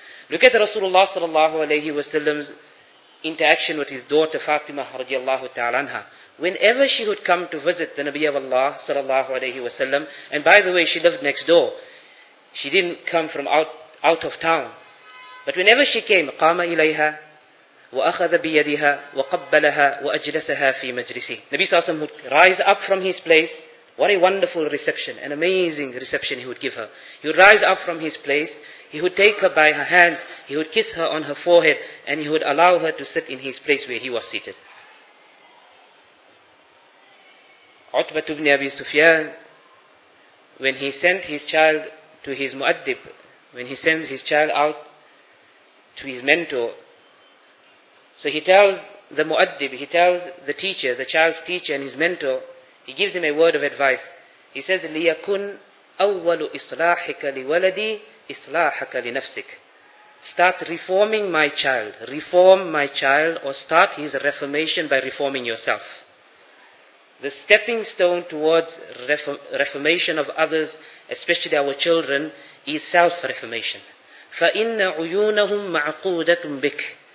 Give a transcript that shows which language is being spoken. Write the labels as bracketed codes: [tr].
[en] Look at Rasulullah sallallahu alayhi wa sallam's interaction with his daughter Fatima radiallahu ta'ala anha. Whenever she would come to visit the Nabi of Allah sallallahu alayhi wa sallam, and by the way, she lived next door. She didn't come from out of town. But whenever she came, [ar] قام إليها وأخذ بيدها وقبلها وأجلسها في مجلسه. [en] Nabi sallallahu alayhi wa sallam would rise up from his place. What a wonderful reception, an amazing reception he would give her. He would rise up from his place, he would take her by her hands, he would kiss her on her forehead, and he would allow her to sit in his place where he was seated. Utbah ibn Abi Sufyan, when he sent his child to his mu'addib, when he sends his child out to his mentor, so he tells the mu'addib, he tells the teacher, the child's teacher and his mentor, he gives him a word of advice. He says, [ar] لِيَكُنْ أَوَّلُ إِصْلَاحِكَ لِوَلَدِي إِصْلَاحَكَ لِنَفْسِكَ. [en] Start reforming my child. Reform my child, or start his reformation by reforming yourself. The stepping stone towards reformation of others, especially our children, is self-reformation. [ar] فَإِنَّ عُيُونَهُمْ مَعْقُودَةٌ بِكَ.